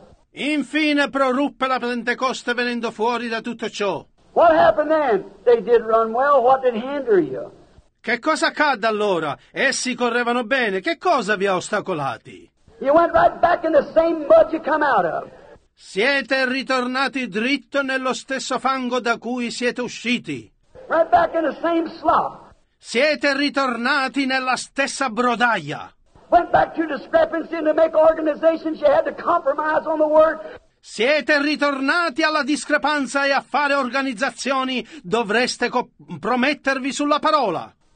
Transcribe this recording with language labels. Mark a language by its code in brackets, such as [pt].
[it] Infine proruppe la Pentecoste venendo fuori da tutto ciò. [en] What happened then? They did run well. What did hinder you? [it] Che cosa accadde allora? Essi correvano bene. Che cosa vi ha ostacolati? [en] You went right back in the same mud you come out of. [it] Siete ritornati dritto nello stesso fango da cui siete usciti. [en] Right back in the same slop. [it] Siete ritornati nella stessa brodaia. [en] Went back to discrepancy and to make organizations you had to compromise on the word. [it] Siete ritornati alla discrepanza e a fare organizzazioni dovreste compromettervi sulla parola.